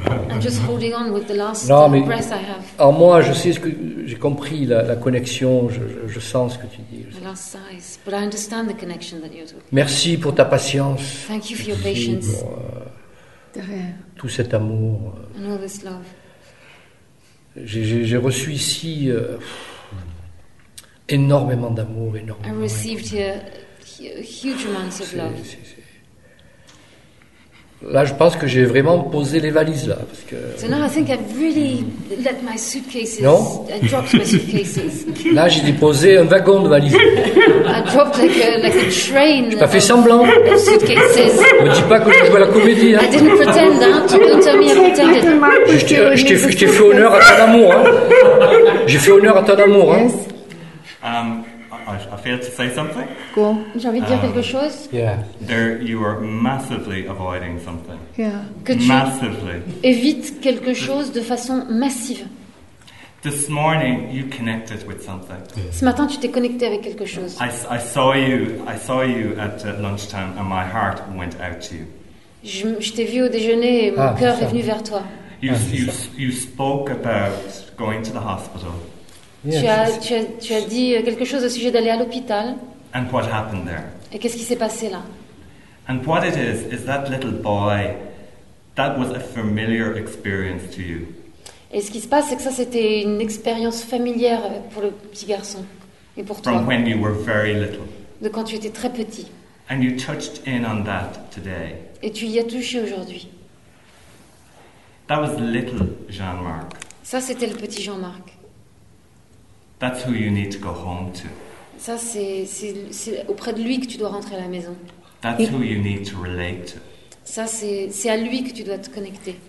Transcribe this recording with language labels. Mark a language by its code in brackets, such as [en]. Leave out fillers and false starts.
[en] I'm just holding on with the last breath I have. [fr] En moi, je sais ce que j'ai compris la connexion, je sens ce que tu dis. [en] Last sighs, but I understand the connection that you're talking. [fr] Merci pour ta patience. [en] Thank you for your patience. [fr] Pour, tout cet amour. [en] And all this love. [fr] J'ai reçu ici énormément d'amour, énormément. [en] I received huge amounts of love. [fr] Là, je pense que j'ai vraiment posé les valises là, parce que. [en] So now I think I've really let my suitcases. [fr] Non. [en] I dropped my suitcases. [fr] Là, j'ai déposé un wagon de valises. [en] I dropped like a train. [fr] J'ai pas fait semblant. [en] Of suitcases. [fr] Me dis pas que je joue à la comédie. Hein. [en] I didn't pretend. Hein. Don't tell me I pretended. [fr] Je t'ai fait honneur à ton amour. Hein. J'ai fait honneur à ton amour. Hein. [en] Yes. I failed to say something. [fr] Cool. J'ai envie de dire quelque chose. [en] Yeah. There, you are massively avoiding something. Yeah. Could massively. [fr] Évite quelque chose de façon massive. [en] This morning, you connected with something. Yeah. [fr] Ce matin, tu t'es connecté avec quelque chose. [en] I saw you at lunchtime, and my heart went out to you. [fr] Je t'ai vu au déjeuner et mon cœur est venu vers toi. [en] You spoke about going to the hospital. Yes. [fr] Tu as dit quelque chose au sujet d'aller à l'hôpital. [en] And what happened there? [fr] Et qu'est-ce qui s'est passé là? [en] And what it is that little boy, that was a familiar experience to you. [fr] Et ce qui se passe, c'est que ça, c'était une expérience familière pour le petit garçon et pour toi. [en] From when you were very little. [fr] De quand tu étais très petit. [en] And you touched in on that today. [fr] Et tu y as touché aujourd'hui. [en] That was little Jean-Marc. [fr] Ça, c'était le petit Jean-Marc. [en] That's who you need to go home to. [fr] Ça c'est auprès de lui que tu dois rentrer à la maison. [en] That's who you need to relate to. [fr] Ça c'est à lui que tu dois te connecter.